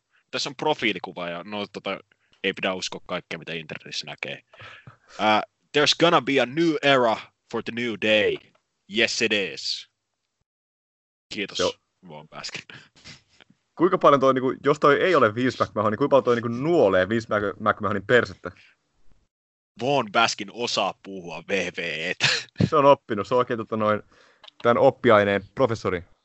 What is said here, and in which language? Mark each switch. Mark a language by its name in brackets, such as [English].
[Finnish] Tässä on profiilikuva ja ei pidä uskoa kaikkea, mitä internetissä näkee. [English] There's gonna be a new era for the new day. Yes, it is. [Finnish] Kiitos, [English] Vaugn Baskin. [Finnish] Kuinka paljon toi, jos toi ei ole Vince McMahon, niin kuinka paljon toi nuolee Vince McMahonin persettä? Vaugn Baskin osaa puhua VVE:tä. Se on oppinut. Se on oikein tämän oppiaineen professori.